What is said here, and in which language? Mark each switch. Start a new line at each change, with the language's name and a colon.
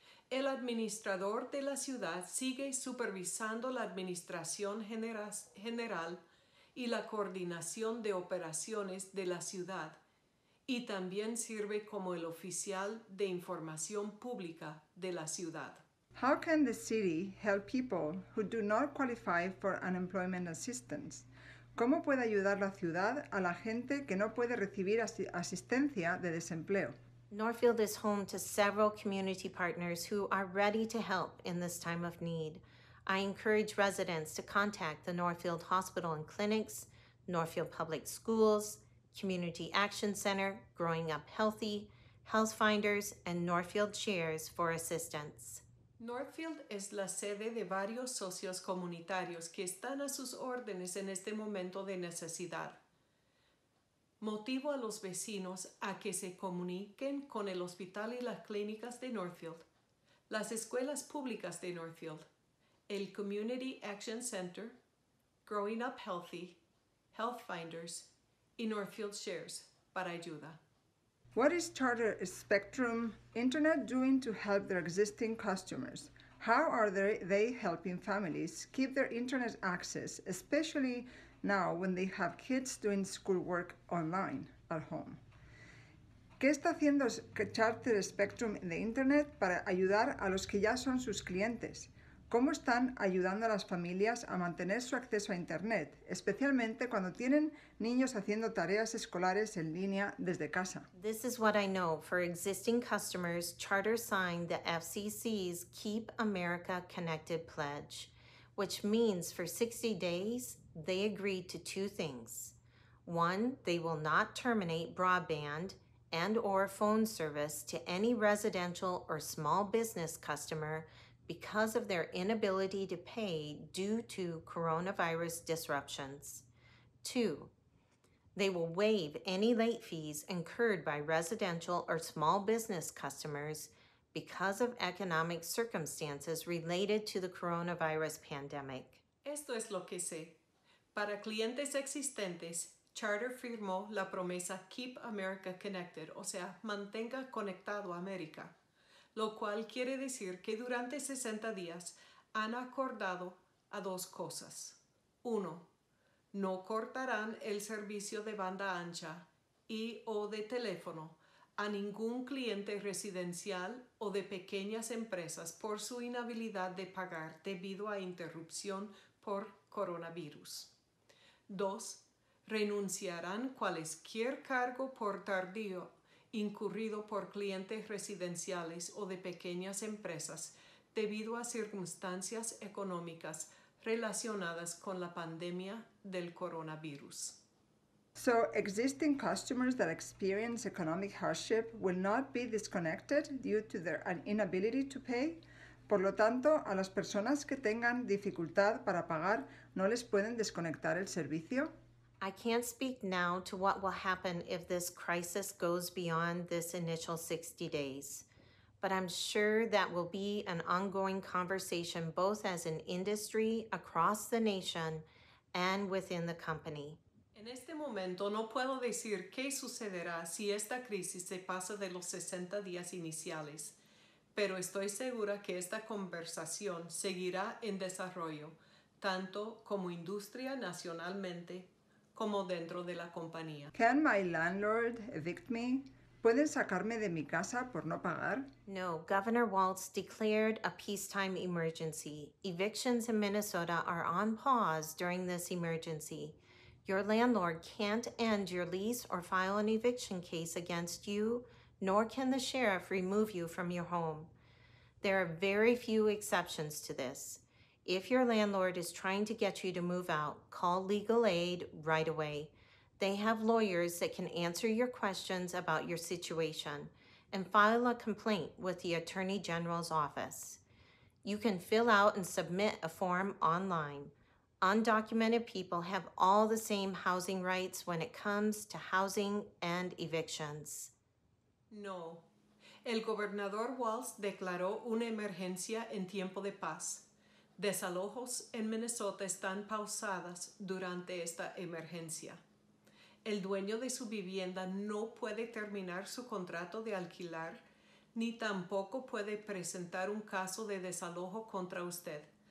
Spanish: El administrador de la ciudad sigue supervisando la administración general y la coordinación de operaciones de la ciudad y también sirve como el oficial de información pública de la ciudad.
English: How can the city help people who do not qualify for unemployment assistance?
Spanish: ¿Cómo puede ayudar la ciudad a la gente que no puede recibir asistencia de desempleo?
English: Northfield is home to several community partners who are ready to help in this time of need. I encourage residents to contact the Northfield Hospital and Clinics, Northfield Public Schools, Community Action Center, Growing Up Healthy, HealthFinders, and Northfield Shares for assistance.
Spanish: Northfield es la sede de varios socios comunitarios que están a sus órdenes en este momento de necesidad. Motivo a los vecinos a que se comuniquen con el hospital y las clínicas de Northfield, las escuelas públicas de Northfield, el Community Action Center, Growing Up Healthy, HealthFinders y Northfield Shares para ayuda.
English: What is Charter Spectrum Internet doing to help their existing customers? How are they helping families keep their internet access, especially now when they have kids doing schoolwork online at home?
Spanish: ¿Qué está haciendo Charter Spectrum de Internet para ayudar a los que ya son sus clientes? ¿Cómo están ayudando a las familias a mantener su acceso a Internet, especialmente cuando tienen niños haciendo tareas escolares en línea desde casa?
English: This is what I know. For existing customers, Charter signed the FCC's Keep America Connected Pledge, which means for 60 days, they agreed to two things. One, they will not terminate broadband and or phone service to any residential or small business customer because of their inability to pay due to coronavirus disruptions. Two, they will waive any late fees incurred by residential or small business customers because of economic circumstances related to the coronavirus pandemic.
Spanish: Esto es lo que sé. Para clientes existentes, Charter firmó la promesa Keep America Connected, o sea, mantenga conectado América, lo cual quiere decir que durante 60 días han acordado a dos cosas. Uno, no cortarán el servicio de banda ancha y o de teléfono a ningún cliente residencial o de pequeñas empresas por su inhabilidad de pagar debido a interrupción por coronavirus. Dos, renunciarán cualquier cargo por tardío incurrido por clientes residenciales o de pequeñas empresas debido a circunstancias económicas relacionadas con la pandemia del coronavirus.
English: So, existing customers that experience economic hardship will not be disconnected due to their inability to pay.
Spanish: Por lo tanto, a las personas que tengan dificultad para pagar, ¿no les pueden desconectar el servicio?
English: I can't speak now to what will happen if this crisis goes beyond this initial 60 days. But I'm sure that will be an ongoing conversation both as an industry, across the nation, and within the company.
Spanish: En este momento no puedo decir qué sucederá si esta crisis se pasa de los 60 días iniciales, pero estoy segura que esta conversación seguirá en desarrollo, tanto como industria nacionalmente como dentro de la compañía.
English: Can my landlord evict me?
Spanish: ¿Pueden sacarme de mi casa por no pagar?
English: No, Governor Walz declared a peacetime emergency. Evictions in Minnesota are on pause during this emergency. Your landlord can't end your lease or file an eviction case against you, nor can the sheriff remove you from your home. There are very few exceptions to this. If your landlord is trying to get you to move out, call legal aid right away. They have lawyers that can answer your questions about your situation and file a complaint with the Attorney General's office. You can fill out and submit a form online. Undocumented people have all the same housing rights when it comes to housing and evictions.
Spanish: No. El gobernador Walz declaró una emergencia en tiempo de paz. Desalojos en Minnesota están pausadas durante esta emergencia. El dueño de su vivienda no puede terminar su contrato de alquiler, ni tampoco puede presentar un caso de desalojo contra usted.